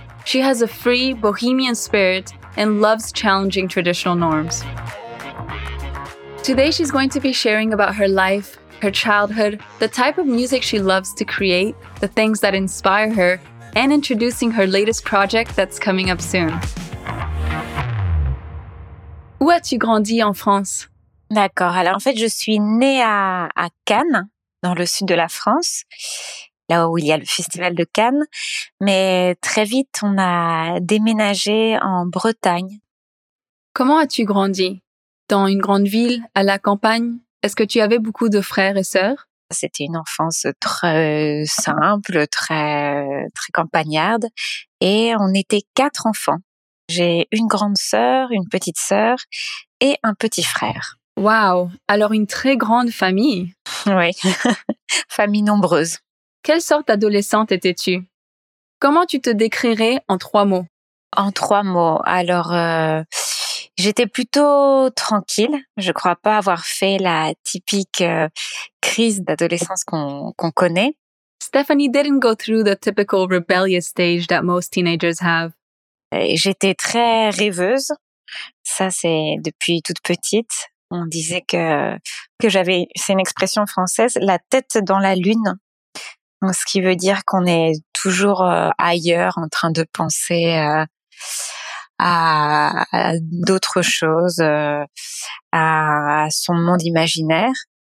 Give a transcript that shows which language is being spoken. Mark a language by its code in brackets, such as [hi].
[en] She has a free, bohemian spirit and loves challenging traditional norms. Today she's going to be sharing about her life, her childhood, the type of music she loves to create, the things that inspire her, and introducing her latest project that's coming up soon. [fr] Où as-tu grandi en France? D'accord. Alors, en fait, je suis née à Cannes, dans le sud de la France, là où il y a le Festival de Cannes. Mais très vite, on a déménagé en Bretagne. Comment as-tu grandi? Dans une grande ville, à la campagne? Est-ce que tu avais beaucoup de frères et sœurs? C'était une enfance très simple, très, très campagnarde. Et on était quatre enfants. J'ai une grande sœur, une petite sœur et un petit frère. Waouh! Alors une très grande famille. Oui, famille nombreuse. Quelle sorte d'adolescente étais-tu? Comment tu te décrirais en trois mots? En trois mots, alors... J'étais plutôt tranquille. Je crois pas avoir fait la typique crise d'adolescence qu'on connaît. [en] Stephanie didn't go through the typical rebellious stage that most teenagers have. [fr] J'étais très rêveuse. Ça, c'est depuis toute petite. On disait que j'avais, c'est une expression française, la tête dans la lune. Donc, ce qui veut dire qu'on est toujours ailleurs en train de penser à d'autres choses, à son monde imaginaire.